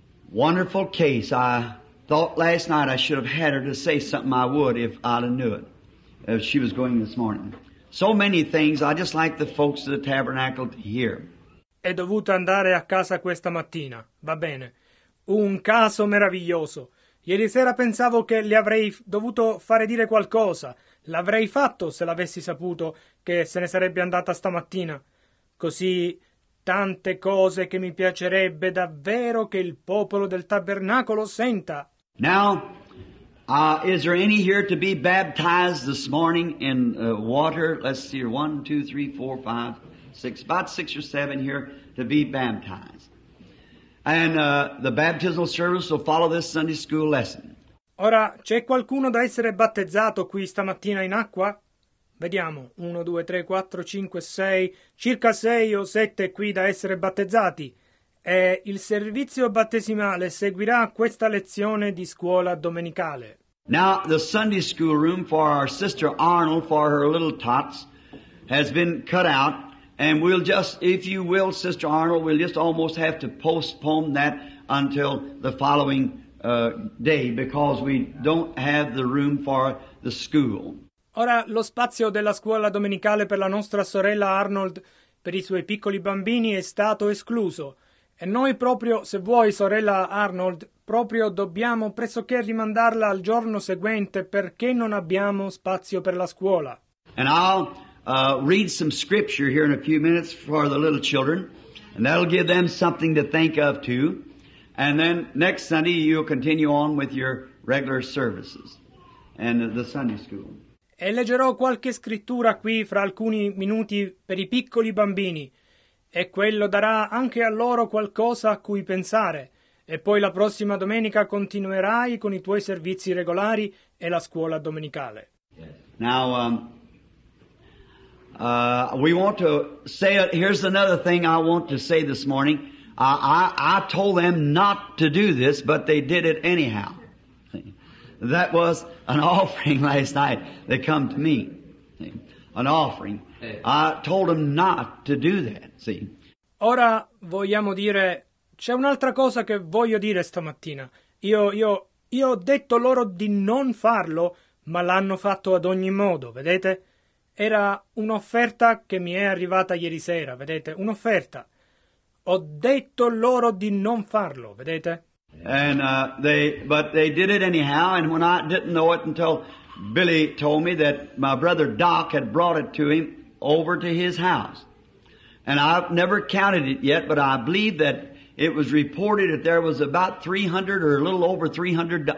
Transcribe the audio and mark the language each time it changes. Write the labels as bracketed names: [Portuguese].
[English] Wonderful case. I thought last night I should have had her to say something. I would if I'd have knew it. If she was going this morning. So many things. I just like the folks of the tabernacle to hear. [Italian] È dovuta andare a casa questa mattina. Va bene. Un caso meraviglioso. Ieri sera pensavo che le avrei dovuto fare dire qualcosa. L'avrei fatto se l'avessi saputo che se ne sarebbe andata stamattina. Così tante cose che mi piacerebbe davvero che il popolo del tabernacolo senta. [English] Now, is there any here to be baptized this morning in water? Let's see here. 1, 2, 3, 4, 5, 6. About 6 or 7 here to be baptized. And the baptismal service will follow this Sunday school lesson. [Italian] Ora, c'è qualcuno da essere battezzato qui stamattina in acqua? Vediamo. 1, 2, 3, 4, 5, 6. Circa 6 o 7 qui da essere battezzati. E il servizio battesimale seguirà questa lezione di scuola domenicale. [English] Now, the Sunday school room for our sister Arnold, for her little tots, has been cut out. And we'll just, if you will, Sister Arnold, we'll just almost have to postpone that until the following day, because we don't have the room for the school. [Italian] Ora, lo spazio della scuola domenicale per la nostra sorella Arnold, per i suoi piccoli bambini, è stato escluso. E noi proprio, se vuoi, sorella Arnold, proprio dobbiamo pressoché rimandarla al giorno seguente perché non abbiamo spazio per la scuola. [English] And I'll read some scripture here in a few minutes for the little children, and that'll give them something to think of too. And then next Sunday you'll continue on with your regular services and the Sunday school. [Italian] E leggerò qualche scrittura qui fra alcuni minuti per i piccoli bambini, e quello darà anche a loro qualcosa a cui pensare. E poi la prossima domenica continuerai con i tuoi servizi regolari e la scuola domenicale. [English] Yes. Now, we want to say, here's another thing I want to say this morning. I told them not to do this, but they did it anyhow. That was an offering last night. They come to me. An offering. I told them not to do that. See. [Italian] Ora vogliamo dire, c'è un'altra cosa che voglio dire stamattina. Io ho detto loro di non farlo, ma l'hanno fatto ad ogni modo, vedete? Era un'offerta che mi è arrivata ieri sera, vedete? Un'offerta. Ho detto loro di non farlo, vedete? [English] And they did it anyhow, and when I didn't know it until Billy told me that my brother Doc had brought it to him over to his house. And I've never counted it yet, but I believe that it was reported that there was about 300 or a little over 300.